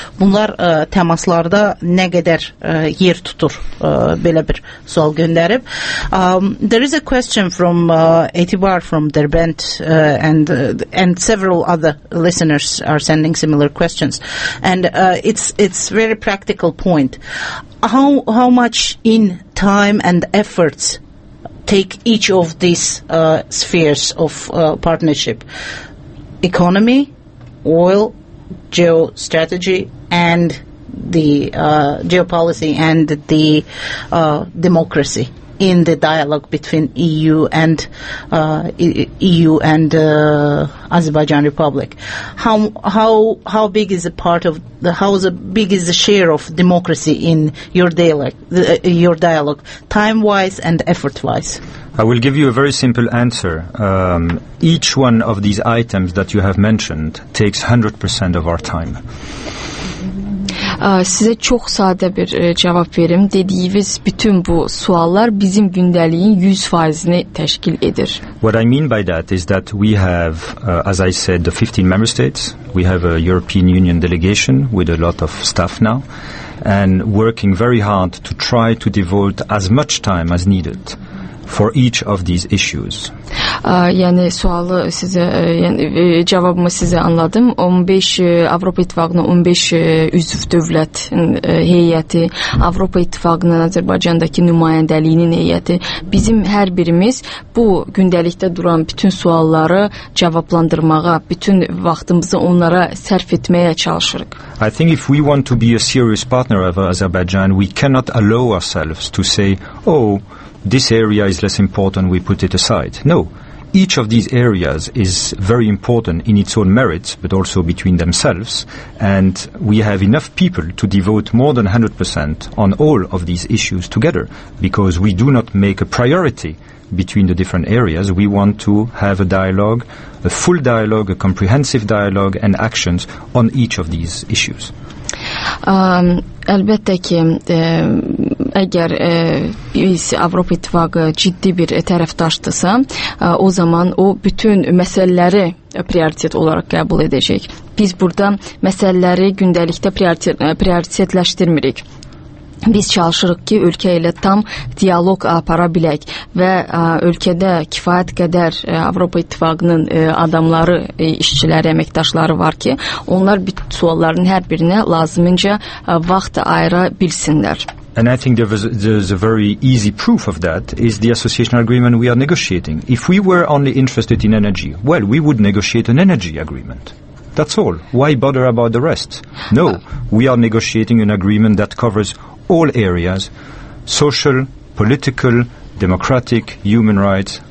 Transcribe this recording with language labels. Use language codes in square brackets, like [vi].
[az] Bunlar təmaslarda nə qədər yer tutur? Belə bir sual göndərib. [en] There is a question from Etibar from Derbent and several other listeners are sending similar questions. And it's very practical point. How much in time and efforts take each of these spheres of partnership, economy, oil, geostrategy, and the geopolicy and the democracy in the dialogue between EU and Azerbaijan Republic? How big is a part of the, how is a big is the share of democracy in your dialogue, your dialogue, time wise and effort wise? I will give you a very simple answer. Each one of these items that you have mentioned takes 100% of our time. [az] Sizə çox sadə bir cavab verim. Dediyiniz bütün bu suallar bizim gündəliyin 100%-ni təşkil edir. [en] What I mean by that is that we have, as I said, the 15 member states. We have a European Union delegation with a lot of staff now and working very hard to try to devote as much time as needed for each of these issues. [az] Yəni sualı sizə, yəni cavabımı sizə anladım. 15 Avropa İttifaqının 15 üzv dövlət heyəti, Avropa İttifaqının Azərbaycandakı nümayəndəliyinin heyəti, bizim hər birimiz bu gündəlikdə duran bütün sualları cavablandırmağa, bütün vaxtımızı onlara sərf etməyə çalışırıq. [en] I think if we want to be a serious partner of Azerbaijan, we cannot allow ourselves to say, "Oh, this area is less important, we put it aside." No, each of these areas is very important in its own merits, but also between themselves, and we have enough people to devote more than 100% on all of these issues together, because we do not make a priority between the different areas. We want to have a dialogue, a full dialogue, a comprehensive dialogue, and actions on each of these issues. [az] Əlbəttə ki, əgər biz Avropa İttifaqı ciddi bir tərəfdaşdırsa, o zaman o bütün məsələləri prioritet olaraq qəbul edəcək. Biz burada məsələləri gündəlikdə prioritetləşdirmirik. biz çalışırıq ki, ölkə ilə tam diyalog apara bilək və ölkədə kifayət qədər Avropa İttifaqının adamları, işçiləri, əməkdaşları var ki, onlar bütün sualların hər birinə lazımınca vaxt ayıra bilsinlər. [en] And I think there's a very easy proof of that is the association agreement we are negotiating. If we were only interested in energy, well, we would negotiate an energy agreement. That's all. Why bother about the rest? No, we are negotiating an agreement that covers all areas, social, political, democratic, human rights.